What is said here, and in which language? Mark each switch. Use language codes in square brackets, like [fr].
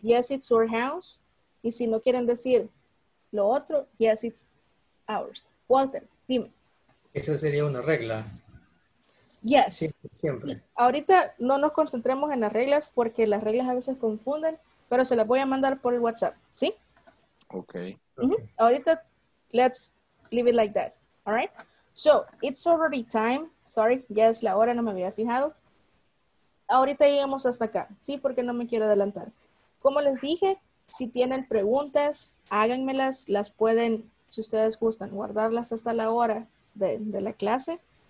[en] Yes, it's our house. [es] Y si no quieren decir lo otro, [en] yes, it's ours. Walter, dime. [es] Esa sería una regla. [en] Yes. [es] Sí, siempre. Sí. Ahorita no nos concentremos en las reglas porque las reglas a veces confunden, pero se las voy a mandar por el WhatsApp, ¿sí? [en] Ok. Mm-hmm. Okay. Ahorita, let's leave it like that, all right? So, it's already time. [es] Sorry, ya es la hora, no me había fijado. Ahorita llegamos hasta acá, ¿sí? Porque no me quiero adelantar. Como les dije, si tienen preguntas, háganmelas, las pueden, si ustedes gustan, guardarlas hasta la hora de la clase.